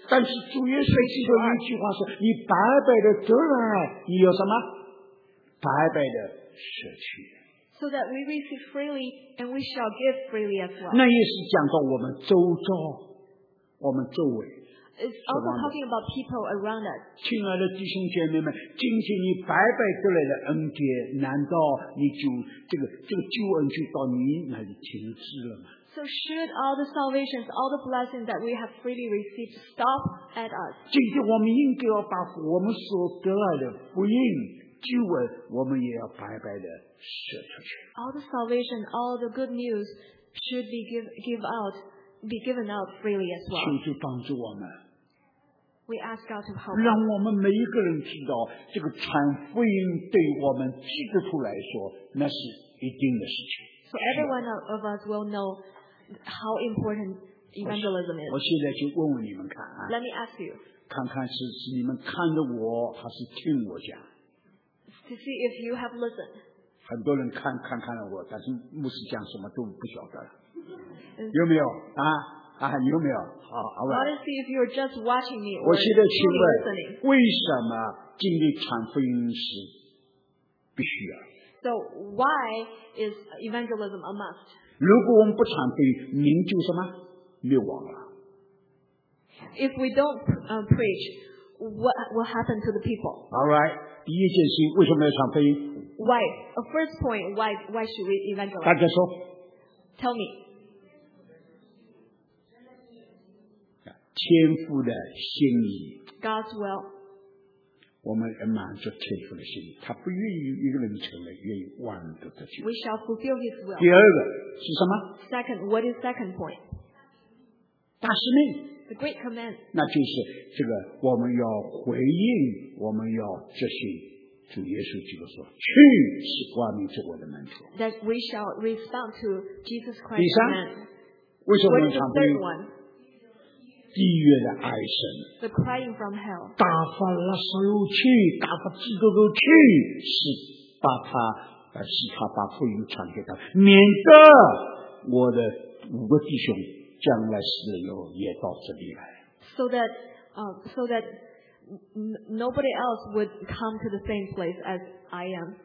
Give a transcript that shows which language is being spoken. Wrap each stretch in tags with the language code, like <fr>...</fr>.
<zh>但是主耶稣基督一句话说：“你白白的得来，你有什么？白白的舍去。”</zh> <en>So that we receive freely and we shall give freely as well.</en> <zh>那也是讲到我们周遭，我们周围。</zh> <en>It's also talking about people around us.</en> <zh>亲爱的弟兄姐妹们，仅仅你白白得来的恩典，难道你就这个救恩就到你那里停止了吗？</zh> <en>So should all the salvations, all the blessings that we have freely received stop at us?</en> <zh>今天我们应该要把我们所得来的福音救恩，我们也要白白的舍出去。</zh> <en>All the salvation, all the good news should be given out freely as well.</en> <zh>请主帮助我们。</zh> <en>We ask God to help.</en> <zh>让我们每一个人知道，这个传福音对我们基督徒来说，那是一定的事情。</zh> <en>So everyone of us will know how important evangelism is.</en> <zh>我现在就问问你们看啊。</zh> <en>Let me ask you.</en> <zh>看看是你们看着我，还是听我讲。</zh> <en>To see if you have listened.</en> <zh>很多人看了我，但是牧师讲什么都不晓得了。有没有啊？啊，有没有？好，好。</zh> <en>I want to see if you're just watching me.</en> <zh>我现在请问，为什么经历传福音是必须的</zh> <en>？So why is evangelism a must?</en> <zh>如果我们不传福音，民就什么灭亡了</zh> <en>？If we don't preach, what will happen to the people? All right.</en> <zh>第一件事，为什么要传福音</zh> <en>？Why? A first point. Why should we evangelize?</en> <zh>大家说。</zh> <en>Tell me.</en> <zh>天父的心意</zh> <en>God's will</en> <zh>我们要满足天父的心意他不愿意一个人成为愿意万人得救</zh> <en>We shall fulfill his will</en> <zh>第二个是什么</zh> <en>Second, what is second point?</en> <zh>大使命</zh> <en>The great command</en> <zh>那就是这个我们要回应我们要执行主耶稣基督说去使万民做我的门徒</zh> <en>That we shall respond to Jesus Christ's command</en> <zh>为什么要传福音地狱的哀声</zh> <en>The crying from hell.</en> <zh>打发拉撒路去打发基督徒去使他把福音传给他免得我的五个弟兄将来死了以后也到这里来</zh> <en>So that nobody else would come to the same place as I am</en>